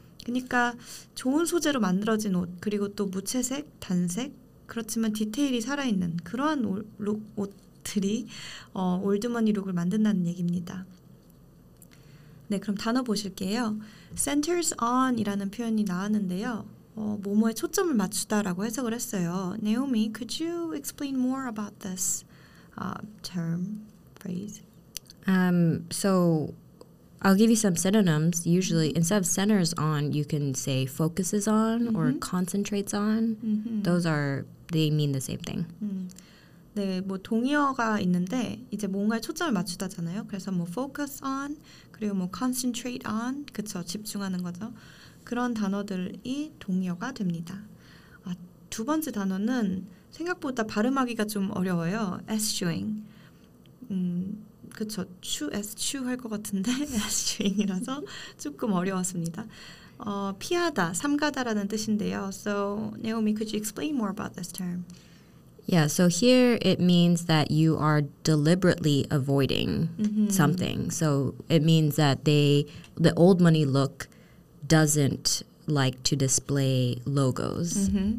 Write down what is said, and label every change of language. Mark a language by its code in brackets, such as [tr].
[ko] 그러니까 좋은 소재로 만들어진 옷 그리고 또 무채색, 단색 그렇지만 디테일이 살아있는 그러한 옷들이 올드머니 룩을 만든다는 얘기입니다. 네, 그럼 단어 보실게요. Centers on이라는 표현이 나왔는데요. 뭐뭐에 초점을 맞추다라고 해석을 했어요. [en] Naomi, could you explain more about this term? Phrase. So I'll give you some synonyms. Usually, instead of centers on, you can say focuses on mm-hmm. or concentrates on. Mm-hmm. Those are, they mean the same thing. Mm. [ko] 네, 뭐 동의어가 있는데 이제 뭔가에 초점을 맞추다잖아요. 그래서 뭐 focus on, 그리고 뭐 concentrate on, 그쵸, 집중하는 거죠. 그런 단어들이 동의어가 됩니다. 아, 두 번째 단어는 생각보다 발음하기가 좀 어려워요. Eschewing. 그쵸. 추, 에스추 할 것 같은데 에스추잉이라서 조금 어려웠습니다. 피하다, 삼가다라는 뜻인데요. [en] So, Naomi, could you explain more about this term? Yeah, so here it means that you are deliberately avoiding mm-hmm. something. So it means that the old money look doesn't like to display logos mm-hmm.